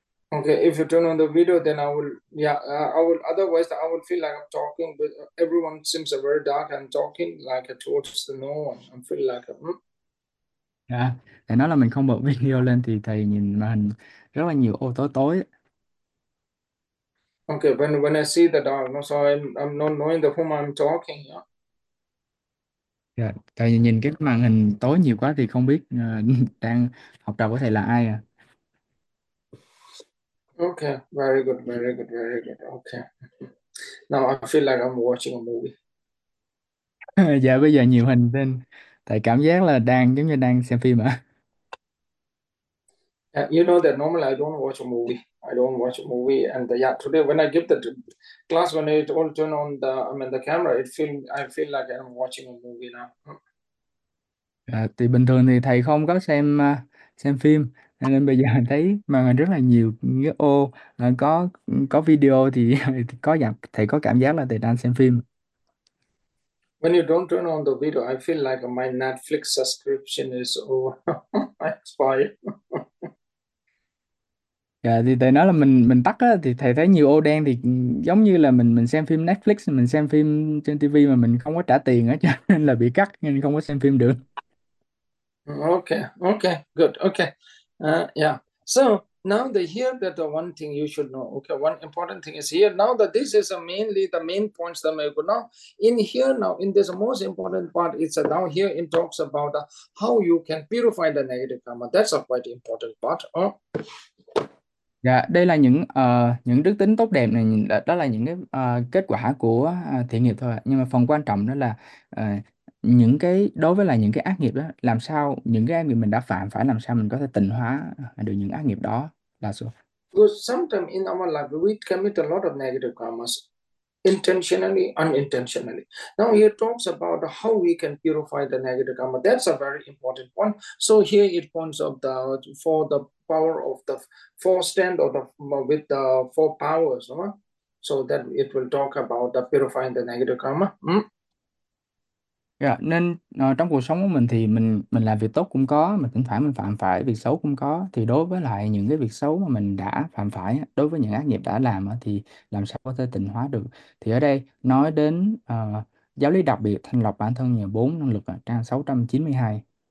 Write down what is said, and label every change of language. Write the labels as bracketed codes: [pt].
[en] Okay, if you turn on the video, then I will, otherwise I will feel like I'm talking, but everyone seems very dark and talking like a towards the no one. I feel like [vi] Dạ, thầy nói là mình không bật video lên thì thầy nhìn màn hình rất là nhiều ô tối tối. [en] Okay, when I see the dark, no, so I'm not knowing the whom I'm talking, yeah. [vi] Dạ, thầy nhìn cái màn hình tối nhiều quá thì không biết đang học trò của thầy là ai à. [en] Okay, very good, very good, very good. Okay. Now I feel like I'm watching [vi] Dạ bây giờ nhiều hình nên thầy cảm giác là đang giống như đang xem phim ạ. [en] movie. You know that normally I don't watch a movie. I don't watch a movie. And today when I give the class, when it all turn on the, I mean the camera, I feel like I'm watching a movie now. [vi] À, thì bình thường thì thầy không có xem phim nên bây giờ thấy màn hình rất là nhiều cái ô có video thì có dạng thầy có cảm giác là thầy đang xem phim. [en] When you don't turn on the video, I feel like my Netflix subscription is over. Expired. [vi] Dạ, thì thầy nói là mình tắt á, thì thầy thấy nhiều ô đen thì giống như là mình xem phim Netflix, mình xem phim trên TV mà mình không có trả tiền á cho nên là bị cắt nên không có xem phim được. [en] Okay, good. Okay. Yeah. So now they hear that the one thing you should know. Okay, one important thing is here. Now that this is mainly the main points that may go. Now in here, now in this most important part, it's down here. It talks about how you can purify the negative karma. That's a quite important part. [vi] Dạ, đây là những đức tính tốt đẹp này, đó là những cái kết quả của thiện nghiệp thôi. Nhưng mà phần quan trọng đó là những cái đối với là những cái ác nghiệp đó, làm sao những cái ác nghiệp mình đã phạm phải làm sao mình có thể tịnh hóa được những ác nghiệp đó là số. [en] Because sometimes in our life we commit a lot of negative karmas, intentionally, unintentionally. Now he talks about how we can purify the negative karma. That's a very important one. So here it points out the for the power of the four stand or the with the four powers, right? So that it will talk about the purifying the negative karma. [vi] Yeah, nên trong cuộc sống của mình thì mình làm việc tốt cũng có, mình thỉnh thoảng mình phạm phải việc xấu cũng có. Thì đối với lại những cái việc xấu mà mình đã phạm phải, đối với những ác nghiệp đã làm thì làm sao có thể tịnh hóa được. Thì ở đây nói đến giáo lý đặc biệt thanh lọc bản thân nhờ 4 năng lực, trang 692.